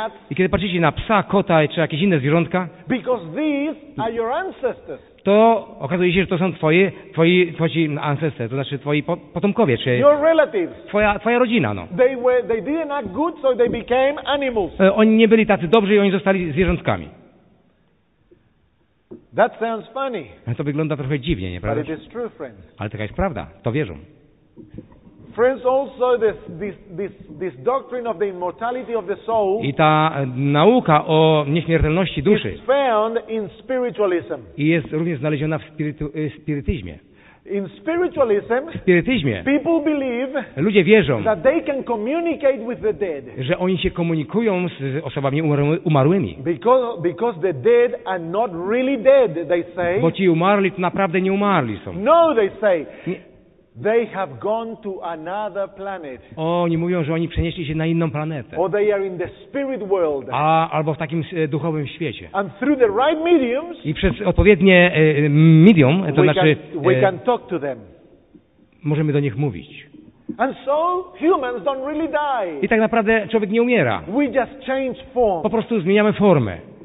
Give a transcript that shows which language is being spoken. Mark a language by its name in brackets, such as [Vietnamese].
[Polish] I kiedy patrzycie na psa, kota czy jakieś inne zwierzątka, [English] because these are your ancestors. [Polish] To okazuje się, że to są twoi ancestry, to znaczy twoi potomkowie, czy twoja rodzina. No. [English] They didn't act good, so they became animals. [Polish] Oni nie byli tacy dobrzy i oni zostali zwierzątkami. [English] That sounds funny. [Polish] To wygląda trochę dziwnie, nie prawda? [English] But it is true, friends. [Polish] Ale taka jest prawda, to wierzą. [English] Friends, also this doctrine of the immortality of the soul. [Polish] I ta nauka o nieśmiertelności duszy. [English] Is found in spiritualism. [Polish] I jest również znaleziona w spirytyzmie. [English] In spiritualism. [Polish] W spirytyzmie. [English] People believe. [Polish] Ludzie wierzą. [English] That they can communicate with the dead. [Polish] Że oni się komunikują z osobami umarłymi. [English] Because the dead are not really dead, they say. [Polish] Bo ci umarli to naprawdę nie umarli są. [English] No, they say. They have gone to another planet. [Polish] Oni mówią, że oni przenieśli się na inną planetę. [English] Or they are in the spirit world. [Polish] Albo w takim duchowym świecie. [English] And through the right mediums. [Polish] I przez odpowiednie medium, to znaczy [English] we can talk to them. [Polish] Możemy do nich mówić. [English] And so humans don't really die. [Polish] I tak naprawdę człowiek nie umiera. [English] We just change form. [Polish] Po prostu zmieniamy formę.